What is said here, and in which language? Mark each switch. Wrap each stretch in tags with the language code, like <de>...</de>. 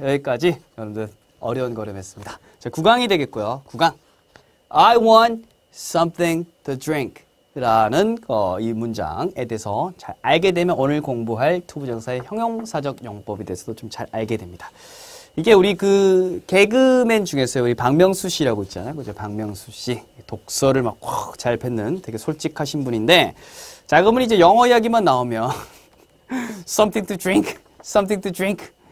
<ko>여기까지 여러분들 어려운 걸음 했습니다. 자, 구강이 되겠고요. 구강.</ko> <en>I want something to drink.</en> <ko>라는 이 문장에 대해서 잘 알게 되면 오늘 공부할 투부정사의 형용사적 용법에 대해서도 좀 잘 알게 됩니다. 이게 우리 그 개그맨 중에서 우리 박명수 씨라고 있잖아요. 그죠? 박명수 씨. 독서를 막 확 잘 뱉는 되게 솔직하신 분인데, 자, 그러면 이제 영어 이야기만 나오면</ko> <en>something to drink, something to drink.</en>